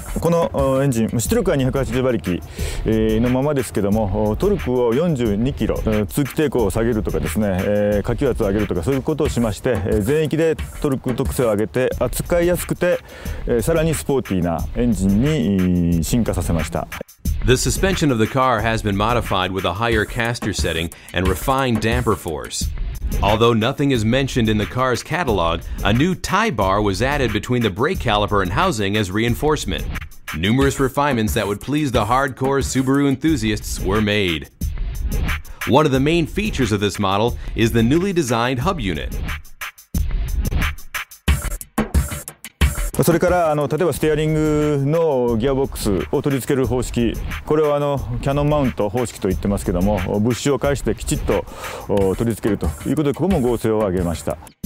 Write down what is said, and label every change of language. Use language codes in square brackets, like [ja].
[ja] このエンジン出力は280馬力のままですけども、トルクを42キロ、通気抵抗を下げるとかですね、下気圧を上げるとかそういうことをしまして、全域でトルク特性を上げて扱いやすくてさらにスポーティーなエンジンに進化させました。 [en] The suspension of the car has been modified with a higher caster setting and refined damper force. Although nothing is mentioned in the car's catalog, a new tie bar was added between the brake caliper and housing as reinforcement. Numerous refinements that would please the hardcore Subaru enthusiasts were made. One of the main features of this model is the newly designed hub unit. [ja] それから例えばステアリングのギアボックスを取り付ける方式、これはキャノンマウント方式と言ってますけども、ブッシュを介してきちっと取り付けるということで、ここも剛性を上げました。